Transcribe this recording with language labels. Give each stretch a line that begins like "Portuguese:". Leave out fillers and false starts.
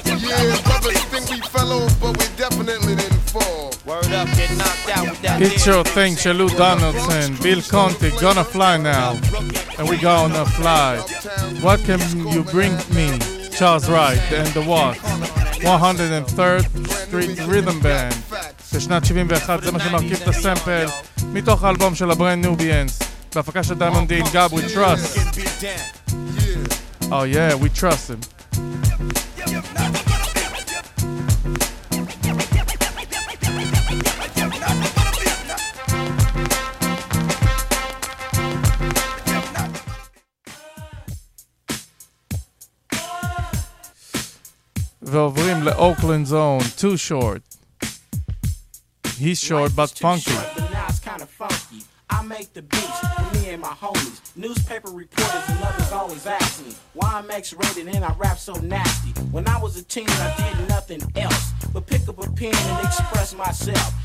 English: Yeah, brother, you think we fell off, but we definitely didn't fall. Word up, get knocked out with that. Get your thing to Lou Donaldson, Bill Conti, gonna fly now. And we gonna fly. What can you bring me? Charles Wright and the Watts. 103rd Street Rhythm Band.
Hebrew: בשנת 71, זה מה שמרכיב את הסמפל מתוך האלבום של הברנד ניו ביאנס. בהפקה של
English: דיימונד דין, גאב, we trust. Oh yeah, we trust him.
Hebrew: ועוברים לאוקלנד זון, too short.
English: He's short but funky. Short, but now it's kind of funky. I make the beats, me and my homies. Newspaper reporters and others always ask me why I'm X-rated and I rap so nasty. When I was a teen, I did nothing else but pick up a pen and express myself.